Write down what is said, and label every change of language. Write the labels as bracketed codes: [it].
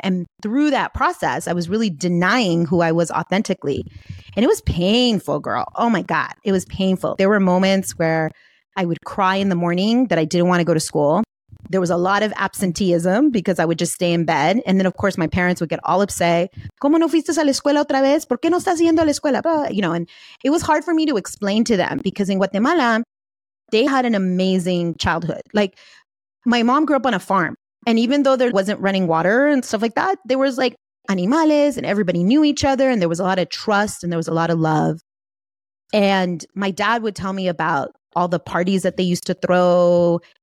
[en] And through that process, I was really denying who I was authentically. And it was painful, girl. Oh my God. It was painful. There were moments where I would cry in the morning that I didn't want to go to school. There was a lot of absenteeism because I would just stay in bed. And then, of course, my parents would get all upset. [es] ¿Cómo no fuiste a la escuela otra vez? ¿Por qué no estás yendo a la escuela? [en] You know, and it was hard for me to explain to them because in Guatemala, they had an amazing childhood. Like my mom grew up on a farm. And even though there wasn't running water and stuff like that, there was like animales and everybody knew each other. And there was a lot of trust and there was a lot of love. And my dad would tell me about all the parties that they used to throw.